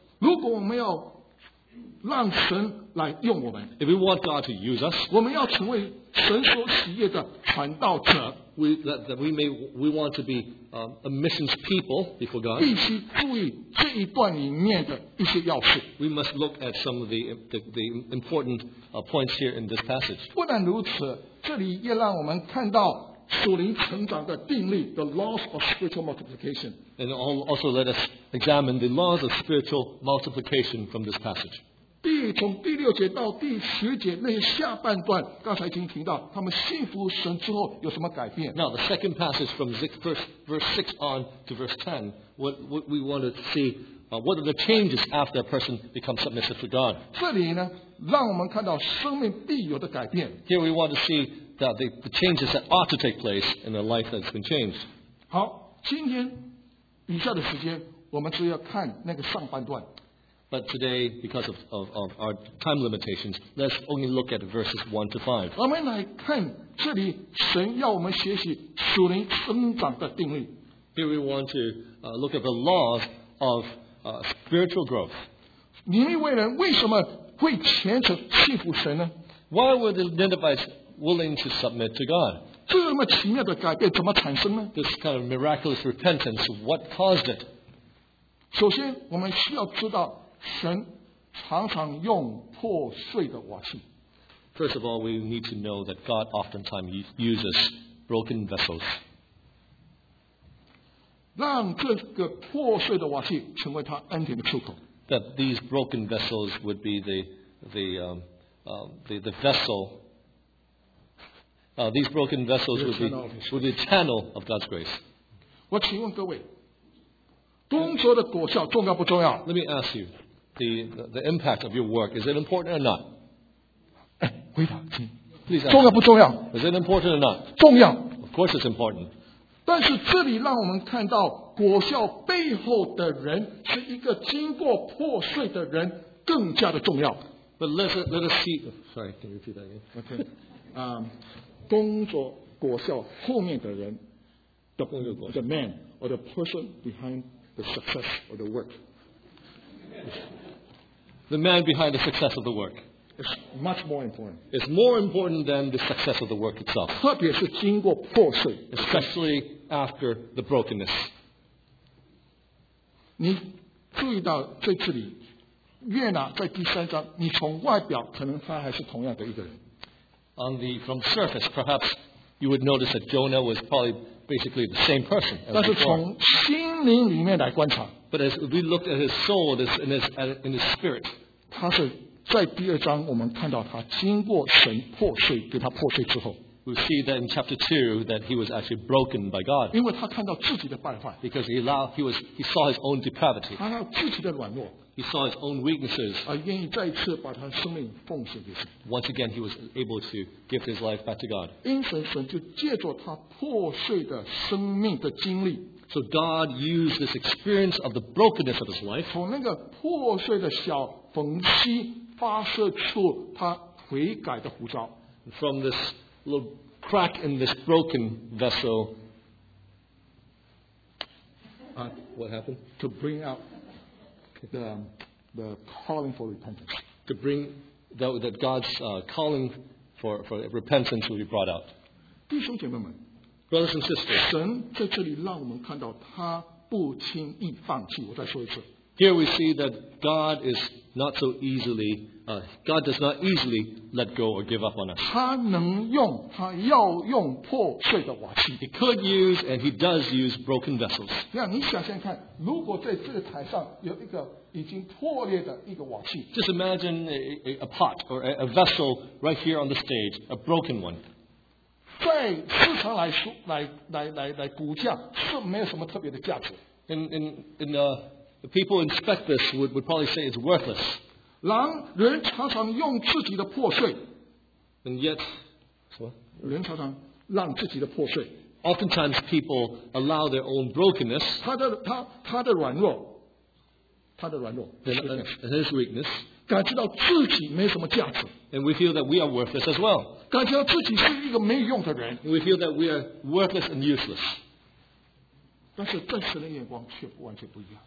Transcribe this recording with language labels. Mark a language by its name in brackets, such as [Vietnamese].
[Chinese] 如果我们要让神来用我们 [English] ，If we want God to use us, [Chinese] 我们要成为神所喜悦的传道者。 [English] We want to be a missions people before God. [Chinese] 必须注意这一段里面的一些要素。 [English] We must look at some of the important points here in this passage. [Chinese] 不但如此，这里也让我们看到属灵成长的定律 ， [English] the laws of spiritual multiplication. And also let us examine the laws of spiritual multiplication from this passage. [Chinese] 从第六节到第十节那些下半段，刚才已经提到，他们信服神之后有什么改变 [English] ？Now the second passage from verse 6 on to verse 10, what we want to see, what are the changes after a person becomes submissive to God? [Chinese] 这里呢，让我们看到生命必有的改变。 [English] Here we want to see that the changes that ought to take place in the life that's been changed. [Chinese] 好，今天以下的时间，我们只要看那个上半段。 [English] But today, because of our time limitations, let's only look at verses 1 to 5. [Chinese] 我们来看这里神要我们学习属灵生长的定律。 [English] Here we want to look at the laws of spiritual growth. [Chinese] 尼尼微人为什么会虔诚信服神呢？ [English] Why were the Ninevites willing to submit to God? [Chinese] 这么奇妙的改变怎么产生呢？ [English] This kind of miraculous repentance, what caused it? [Chinese] 首先我们需要知道神常常用破碎的瓦器。 [English] First of all, we need to know that God oftentimes uses broken vessels. [Chinese] 让这个破碎的瓦器成为他恩典的出口。 [English] That these broken vessels would be the vessel. These broken vessels would be the channel of God's grace. [Chinese] 我请问各位，工作的果效重要不重要 [English] ？Let me ask you. The impact of your work, is it important or not? [Chinese] 回答，请。 [English] Please ask. [Chinese] 重要不重要？ [English] Is it important or not? [Chinese] 重要。 [English] Of course it's important. [Chinese] 但是这里让我们看到果效背后的人是一个经过破碎的人更加的重要。 [English] But let us see. Sorry, can you repeat that again? Okay. [Chinese] 工作果效后面的人 [English] the man or the person behind the success or the work. The man behind the success of the work is much more important. It's more important than the success of the work itself. [Chinese] 特别是经过破碎 [English] especially after the brokenness. [Chinese] 你注意到这次里，约拿在第三章，你从外表可能他还是同样的一个人。 [English] From the surface, perhaps you would notice that Jonah was probably basically the same person. [Chinese] 但是从心灵里面来观察。 [English] But as we look at his soul, in his spirit, [Chinese] 他是在第二章我们看到他经过神破碎给他破碎之后 [English] ，we see that in chapter 2 that he was actually broken by God. [Chinese] 因为他看到自己的败坏 [English] ，because he saw his own depravity. [Chinese] 他看到自己的软弱 [English] ，he saw his own weaknesses. [Chinese] 而愿意再次把他生命奉献给神。 [English] Once again, he was able to give his life back to God. [Chinese] 因此神就借着他破碎的生命的经历。 [English] So God used this experience of the brokenness of his life. [Chinese] 从那个破碎的小缝隙发射出他悔改的呼召。 [English] From this little crack in this broken vessel. What happened? To bring out the calling for repentance. To bring that God's calling for repentance will be brought out. [Chinese] 弟兄姐妹们。 [English] Brothers and sisters, [Chinese] 神在这里让我们看到他不轻易放弃。我再说一次 [English] Here we see that God is not so easily, God does not easily let go or give up on us. [Chinese] 他能用, 他要用破碎的瓦器, [English] he could use and he does use broken vessels. [Chinese] 你想想看, 如果在这台上有一个已经破裂的一个瓦器, [English] just imagine a pot or a vessel right here on the stage, a broken one. [Chinese] 在市场来估价是没有什么特别的价值。 [English] And people inspect this would probably say it's worthless. [Chinese] 人常常用自己的破碎, [English] and yet, [Chinese] 人常常让自己的破碎, [English] oftentimes people allow their own brokenness, [Chinese] 他的软弱, 他的软弱, [English] and his weakness, [Chinese] 感觉到自己没什么价值, [English] and we feel that we are worthless as well. [Chinese] 感觉到自己是一个没用的人, [English] and we feel that we are worthless and useless. [Chinese] 但是真实的眼光却完全不一样,